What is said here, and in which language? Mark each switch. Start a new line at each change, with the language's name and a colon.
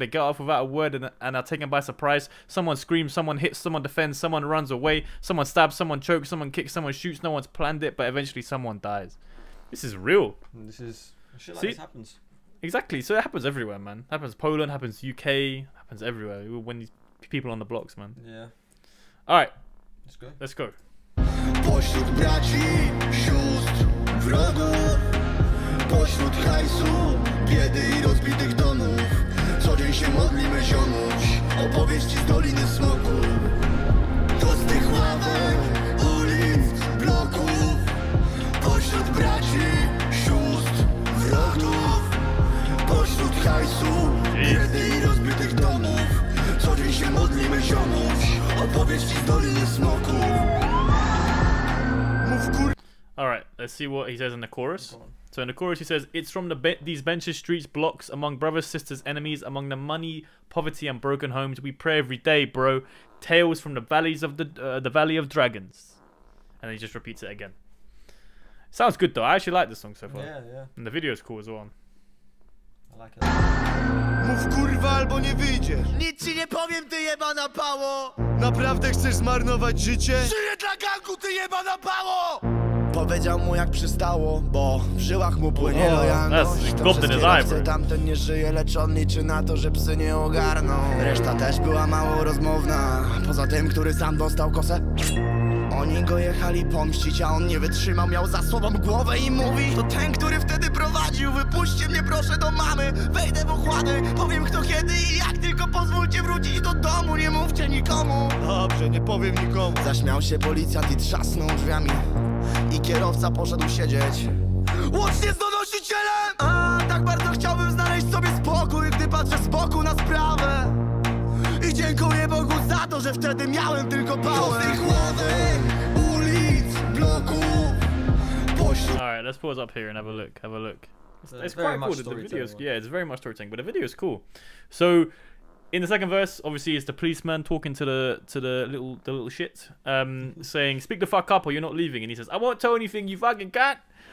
English: They get off without a word and are taken by surprise. Someone screams, someone hits, someone defends, someone runs away. Someone stabs, someone chokes, someone kicks, someone shoots. No one's planned it, but eventually someone dies. This is real. This is... Shit like see? This happens. Exactly. So it happens everywhere, man. It happens Poland, happens UK, happens everywhere. When these people on the blocks, man. Yeah. All right. Let's go.
Polish: Pośród braci, sióstr, wrogu. Pośród hajsu, biedy i rozbitych domów. Co dzień się modlimy, ziomuś. Opowieści z Doliny Smoków. To z tych ławek, ulic, bloków. Pośród braci, sióstr, wrogów. Pośród hajsu, biedy i rozbitych domów. Co dzień się modlimy, ziomuś. Opowieści z Doliny Smoków. Mów kur...
English: Alright, let's see what he says in the chorus. So in the chorus he says, it's from these benches, streets, blocks, among brothers, sisters, enemies, among the money, poverty and broken homes. We pray every day, bro. Tales from the valleys of the Valley of Dragons. And he just repeats it again. Sounds good though. I actually like this song so far. Yeah, yeah. And the video is cool as well. I like it.
Polish: Mów kurwa albo nie wyjdziesz. Nic ci nie powiem, ty jebana pało. Naprawdę chcesz zmarnować życie? Żyję dla gangu, ty jebana pało. Powiedział mu jak przystało, bo w żyłach mu płynie lojalność. To przez kierowcę tamten nie żyje, lecz on liczy na to, że psy nie ogarną. Reszta też była mało rozmowna. Poza tym, który sam dostał kosę. O Oni go jechali pomścić, a on nie wytrzymał, miał za sobą głowę i mówi: to ten, który wtedy prowadził, wypuśćcie mnie proszę do mamy. Wejdę w ochłady, powiem kto kiedy i jak, tylko pozwólcie wrócić do domu, nie mówcie nikomu. Dobrze, nie powiem nikomu. Zaśmiał się policjant i trzasnął drzwiami, i kierowca poszedł siedzieć łącznie z donosicielem. A tak bardzo chciałbym znaleźć sobie spokój, gdy patrzę z boku na sprawę. I dziękuję Bogu za to, że wtedy miałem tylko pałę. Do tej głowy, ulic, bloków.
English: Alright, let's pause up here and have a look. It's quite cool, the video is, yeah, it's very much storytelling, but the video is cool. So, in the second verse, obviously, it's the policeman talking to the little shit, saying, speak the fuck up or you're not leaving. And he says, I won't tell anything, you fucking cat.